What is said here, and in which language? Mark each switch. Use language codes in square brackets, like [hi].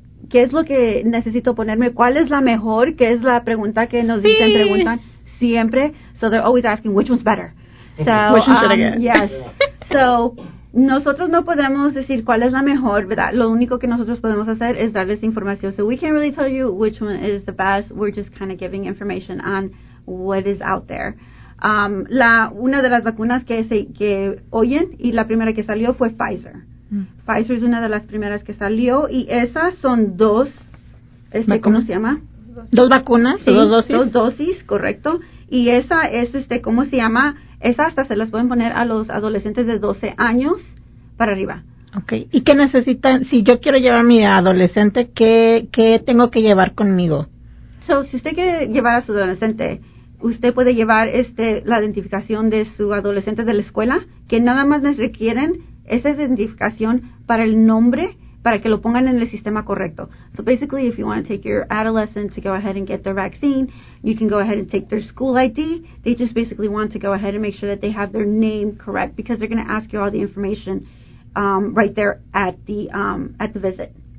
[es] ¿Qué es lo que necesito ponerme? ¿Cuál es la mejor? ¿Qué es la pregunta que nos dicen, preguntan siempre? [en] So they're always asking which one's better. So, which one should I get? Yes. [es] So nosotros no podemos decir cuál es la mejor, ¿verdad? Lo único que nosotros podemos hacer es darles información. [en] So we can't really tell you which one is the best. We're just kind of giving information on what is out there. [es] Una de las vacunas que oyen y la primera que salió fue Pfizer. Mm. Pfizer es una de las primeras que salió, y esas son dos, ¿cómo se llama? Dos vacunas, sí, dos dosis, correcto. Y esa es, ¿cómo se llama? Esas hasta se las pueden poner a los adolescentes de 12 años para arriba. Okay. ¿Y qué necesitan? Si yo quiero llevar a mi adolescente, ¿qué tengo que llevar conmigo? So, si usted quiere llevar a su adolescente, usted puede llevar la identificación de su adolescente de la escuela, que nada más les requieren esa identificación para el nombre, para que lo pongan en el sistema correcto. [en] So basically, if you want to take your adolescent to go ahead and get their vaccine, you can go ahead and take their school ID. They just basically want to go ahead and make sure that they have their name correct, because they're going to ask you all the information right there at the visit.